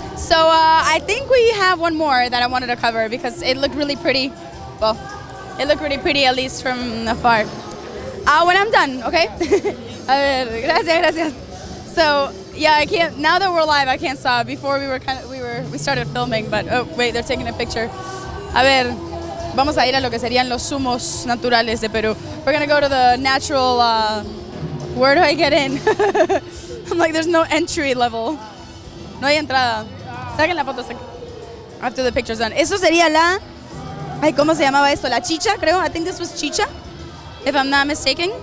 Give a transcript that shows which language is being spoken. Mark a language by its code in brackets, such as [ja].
[en] So, I think we have one more that I wanted to cover because it looked really pretty. Well, it looked really pretty, at least from afar. When I'm done, okay? [es] A ver, gracias. [en] So, yeah, I can't, now that we're live, I can't stop. Before we started filming, but, oh, wait, they're taking a picture. [es] A ver, vamos a ir a lo que serían los zumos naturales de Perú. [en] We're gonna go to the natural, where do I get in? I'm like, there's no entry level. [es] No hay entrada. Saquen la foto, [en] after the picture's done. [es] Eso sería la... Ay, ¿cómo se llamaba esto? La chicha, creo. [en] I think this was chicha, if I'm not mistaken.